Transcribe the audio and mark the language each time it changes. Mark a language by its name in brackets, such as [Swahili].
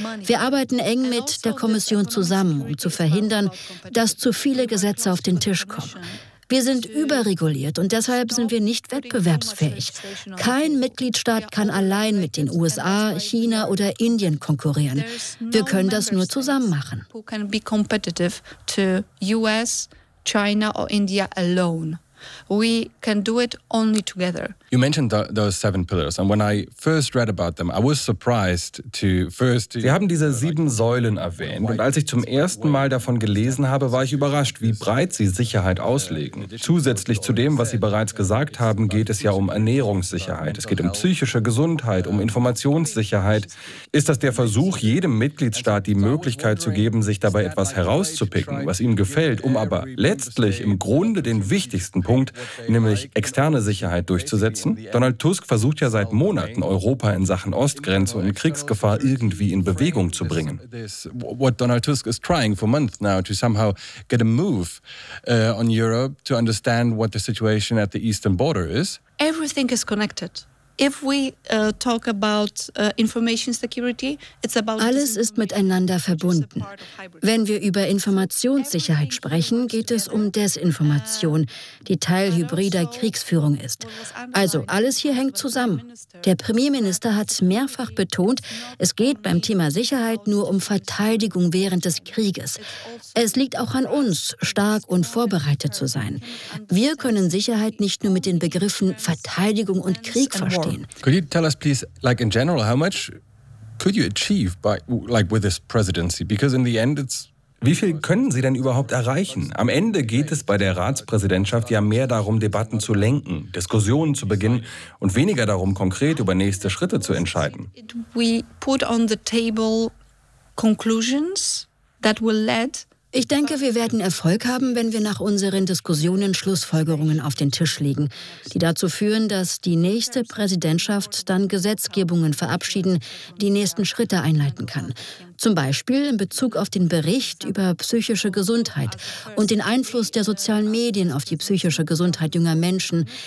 [German] Wir arbeiten eng mit der Kommission zusammen, um zu verhindern, dass zu viele Gesetze auf den Tisch kommen. Wir sind überreguliert und deshalb sind wir nicht wettbewerbsfähig. Kein Mitgliedstaat kann allein mit den USA, China oder Indien konkurrieren. Wir können das nur zusammen machen. [English] Who can be competitive to US, China or India alone? We can do it only together. You mentioned those seven pillars. And when I first read about them, I was surprised to first... [German] Sie haben diese sieben Säulen erwähnt. Und als ich zum ersten Mal davon gelesen habe, war ich überrascht, wie breit sie Sicherheit auslegen. Zusätzlich zu dem, was Sie bereits gesagt haben, geht es ja um Ernährungssicherheit. Es geht um psychische Gesundheit, um Informationssicherheit. Ist das der Versuch, jedem Mitgliedstaat die Möglichkeit zu geben, sich dabei etwas herauszupicken, was ihm gefällt, um aber letztlich im Grunde den wichtigsten Punkt, nämlich externe Sicherheit, durchzusetzen? Donald Tusk versucht ja seit Monaten, Europa in Sachen Ostgrenze und Kriegsgefahr irgendwie in Bewegung zu bringen. [English] What Donald Tusk is trying for months now to somehow get a move on Europe to understand what the situation at the eastern border is. Everything is connected. If we talk about information security, it's about... [German] Alles ist miteinander verbunden. Wenn wir über Informationssicherheit sprechen, geht es um Desinformation, die Teil hybrider Kriegsführung ist. Also, alles hier hängt zusammen. Der Premierminister hat mehrfach betont, es geht beim Thema Sicherheit nur um Verteidigung während des Krieges. Es liegt auch an uns, stark und vorbereitet zu sein. Wir können Sicherheit nicht nur mit den Begriffen Verteidigung und Krieg verstehen. [English] Could you tell us, please, like in general, how much could you achieve by, like, with this presidency? Because in the end, it's... [German] Wie viel können Sie denn überhaupt erreichen? Am Ende geht es bei der Ratspräsidentschaft ja mehr darum, Debatten zu lenken, Diskussionen zu beginnen und weniger darum, konkret über nächste Schritte zu entscheiden. [English] We put on the table conclusions that will lead... [German] Ich denke, wir werden Erfolg haben, wenn wir nach unseren Diskussionen Schlussfolgerungen auf den Tisch legen, die dazu führen, dass die nächste Präsidentschaft dann Gesetzgebungen verabschieden, die nächsten Schritte einleiten kann. Zum Beispiel in Bezug auf den Bericht über psychische Gesundheit und den Einfluss der sozialen Medien auf die psychische Gesundheit junger Menschen.